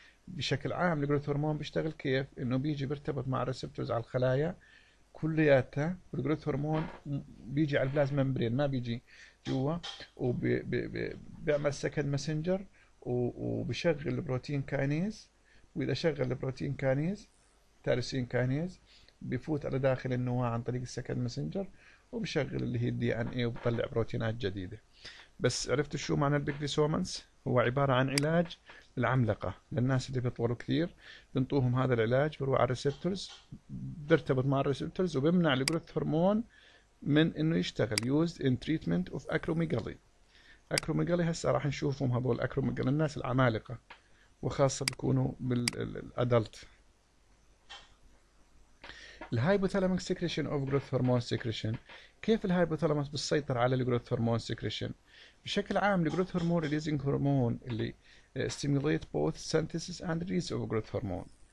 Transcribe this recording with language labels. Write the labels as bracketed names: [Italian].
[Arabic] بشكل عام الجروث هرمون بيشتغل كيف؟ انه بيجي بيرتبط مع الريسبتورز على الخلايا كلياتها، والجروث هرمون بيجي على البلازما ممبرين ما بيجي جوا، وبيعمل سكند ماسنجر وبشغل البروتين كاينيز، واذا شغل البروتين كاينيز تيروسين كاينيز بفوت على داخل النواة عن طريق السكند ماسنجر وبشغل اللي هي الدي ان اي وبطلع بروتينات جديدة. بس عرفتوا شو معنى البيجفيسومانس؟ هو عبارة عن علاج العملقة للناس اللي بيطولوا كثير، بنطوهم هذا العلاج بروح على الريسبتورز بيرتبط مع الريسبتورز وبيمنع الجروث هرمون من انه يشتغل. [English] used in treatment of acromegaly. [Arabic] acromegaly هسه راح نشوفهم هذول acromegaly الناس العمالقة وخاصة بيكونوا بالادلت. الهايبوثالاميك سيكريشن اوف جروث هرمون سيكريشن. كيف الهايبوثالاموس بتسيطر على الجروث هرمون سيكريشن؟ بشكل عام الجروث هرمون ريليزنج هرمون اللي stimulate both synthesis and release of growth hormone.